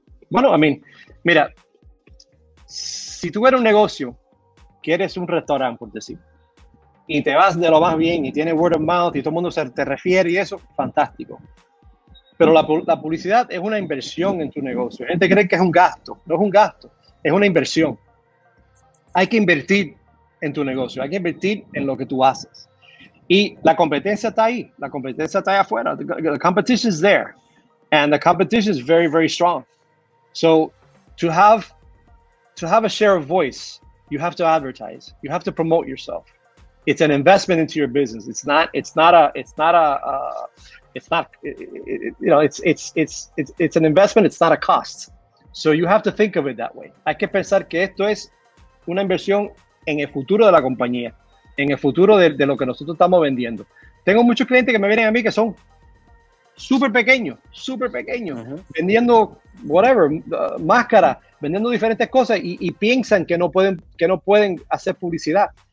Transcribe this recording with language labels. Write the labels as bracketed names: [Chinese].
[Spanish] Bueno, a mí, mira, si tú eres un negocio, que eres un restaurante, por decir, y te vas de lo más bien, y tienes [English] word of mouth, [Spanish] y todo el mundo te refiere y eso, fantástico. Pero la publicidad es una inversión en tu negocio. La gente cree que es un gasto. No es un gasto, es una inversión. Hay que invertir en tu negocio, hay que invertir en lo que tú haces. Y la competencia está ahí, la competencia está allá afuera. [English] The competition is there, and the competition is very, very strong. So to have a share of voice, you have to advertise, you have to promote yourself. It's an investment into your business. It's an investment, it's not a cost. So you have to think of it that way. [Spanish] Hay que pensar que esto es una inversión en el futuro de la compañía, en el futuro de lo que nosotros estamos vendiendo. Tengo muchos clientes que me vienen a mí que son súper pequeños, uh-huh, vendiendo whatever, máscara, vendiendo diferentes cosas, y piensan que no pueden hacer publicidad.